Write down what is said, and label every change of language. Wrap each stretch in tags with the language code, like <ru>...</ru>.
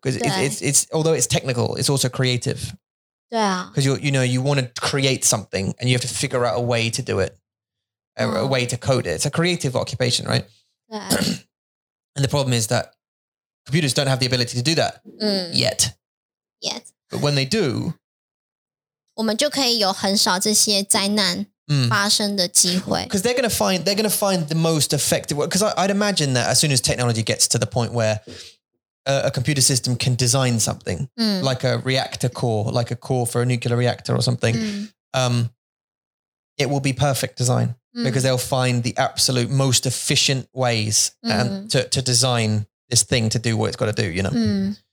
<en>Because it's, although it's technical, it's also creative.</en> <zh>对啊,</zh> <en>because you know you want to create something and you have to figure out a way to do it, a way to code it. It's a creative occupation, right? And the problem is that computers don't have the ability to do that yet. Yet. But when they do,</en> <zh>我们就可以有很少这些灾难发生的机会.</zh> <en>Because they're going to find the most effective. Because I'd imagine that as soon as technology gets to the point where a computer system can design something like a reactor core, like a core for a nuclear reactor or something, it will be perfect design because they'll find the absolute most efficient ways to design this thing to do what it's got to do, you know?</en>